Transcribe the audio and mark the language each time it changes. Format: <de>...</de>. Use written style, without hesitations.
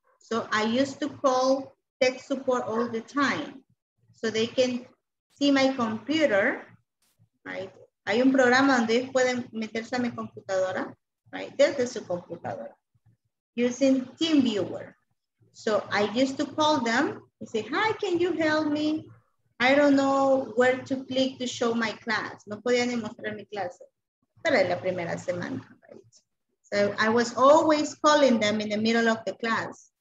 <en>So I used to call tech support all the time. So they can see my computer, right?</en> <es>Hay un programa donde ellos pueden meterse a mi computadora, right? Desde su computadora.</es> <en>Using TeamViewer. So I used to call them and say, hi, can you help me? I don't know where to click to show my class.</en> <es>No podía ni mostrar mi clase. Pero en la primera semana,</es> <en>right? So I was always calling them in the middle of the class.</en>